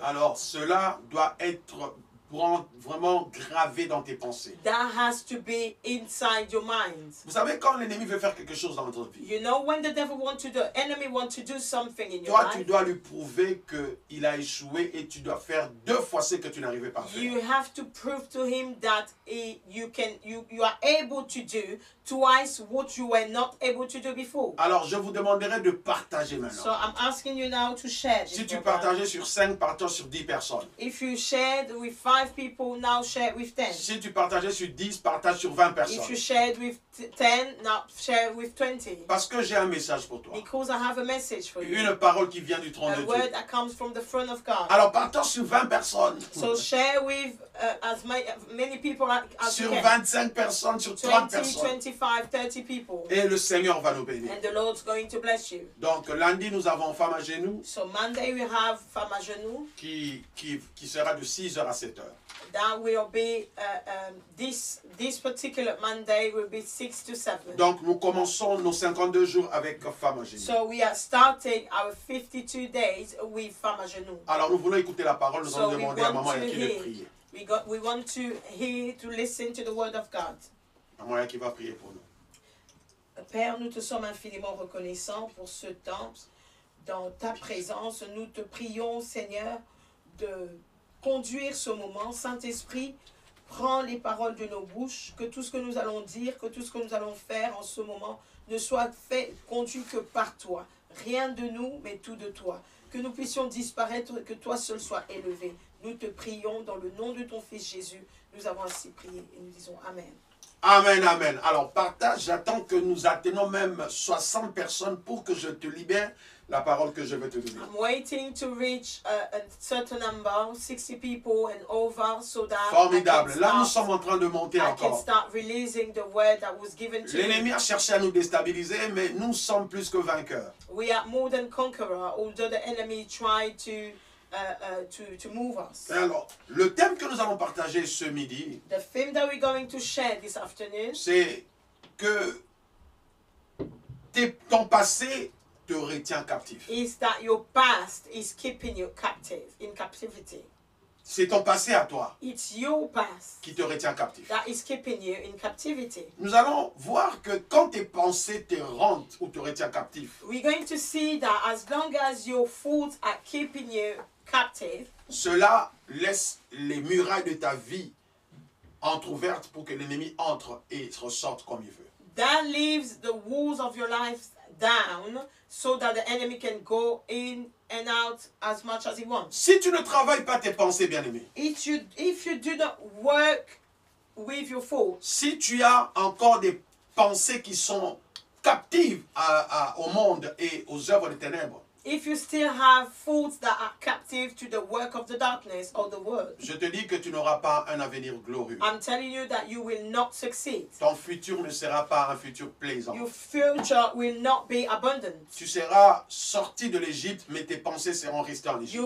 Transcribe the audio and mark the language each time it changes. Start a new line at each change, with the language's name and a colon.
French: Alors, cela doit être vraiment gravé dans tes pensées.
English: That has to be inside your mind.
French: Vous savez quand l'ennemi veut faire quelque chose dans votre vie.
English: You know when the devil wants to do, enemy wants to do something in your
French: toi,
English: life.
French: Toi, tu dois lui prouver que il a échoué et tu dois faire deux fois ce que tu n'arrivais pas à faire.
English: You have to prove to him that you are able to do twice what you were not able to do before.
French: Alors, je vous demanderai de partager maintenant.
English: So I'm asking you now to share.
French: Si tu partageais sur 5, partage sur 10 personnes.
English: If you shared with 5 people, now share with 10.
French: Si tu partageais sur 10, partage sur 20 personnes.
English: If you shared with 10, now share with 20.
French: Parce que j'ai un message pour toi.
English: Because I have a message for
French: une
English: you.
French: Une parole qui vient du trône de Dieu.
English: A word that comes from the throne of God.
French: Alors partage sur 20 personnes.
English: So share with as many people as you can.
French: Sur 25 personnes, sur 30 personnes.
English: 20, 25, 30 people.
French: Et le Seigneur va nous bénir.
English: And the Lord's going to bless you.
French: Donc lundi nous avons femme à genoux.
English: So Monday we have femme à genoux.
French: Qui sera de 6h à 7h.
English: That will be this particular Monday will be 6 to 7.
French: Donc nous commençons nos 52 jours avec femme à genoux.
English: So we are starting our 52 days with femme à genoux.
French: Alors nous voulons écouter la parole, nous allons demander à maman et qui de prier.
English: We want to hear to listen to the word of God.
French: Maman qui va prier pour nous. Père, nous te sommes infiniment reconnaissants pour ce temps dans ta présence. Nous te prions, Seigneur, de conduire ce moment. Saint-Esprit, prends les paroles de nos bouches, que tout ce que nous allons dire, que tout ce que nous allons faire en ce moment ne soit fait, conduit que par toi. Rien de nous, mais tout de toi. Que nous puissions disparaître, que toi seul sois élevé. Nous te prions dans le nom de ton fils Jésus. Nous avons ainsi prié et nous disons amen. Amen, amen. Alors partage, j'attends que nous atteignons même 60 personnes pour que je te libère la parole que je vais te donner.
English: I'm waiting to reach a certain number, 60 people and over, so that
French: formidable.
English: I can start,
French: là, nous sommes en train de monter
English: I
French: encore.
English: I can start releasing the word that was given to
French: l'ennemi a cherché à nous déstabiliser, mais nous sommes plus que vainqueurs.
English: We are more than conquerors, although the enemy tried to move us.
French: Et alors, le thème que nous allons partager ce midi,
English: the theme that we're going to share this afternoon,
French: c'est que ton passé te retient captif.
English: Is that your past is keeping you captive in captivity?
French: C'est ton passé à toi.
English: It's your past
French: qui te retient captif.
English: That is keeping you in captivity.
French: Nous allons voir que quand tes pensées te rendent ou te retient captif.
English: We're going to see that as long as your thoughts are keeping you captive.
French: Cela laisse les murailles de ta vie entrouvertes pour que l'ennemi entre et ressorte comme il veut.
English: That leaves the walls of your life down so that the enemy can go in and out as much as he wants.
French: Si tu ne travailles pas tes pensées, bien-aimé.
English: If you do not work with your thoughts.
French: Si tu as encore des pensées qui sont captives au monde et aux œuvres des ténèbres.
English: If you still have thoughts that are captive to the work of the darkness or the world.
French: Je te dis que tu n'auras pas un avenir glorieux.
English: I'm telling you that you will not succeed.
French: Ton futur ne sera pas un futur plaisant.
English: Your future will not be abundant.
French: Tu seras sorti de l'Égypte, mais tes pensées seront restées en Égypte.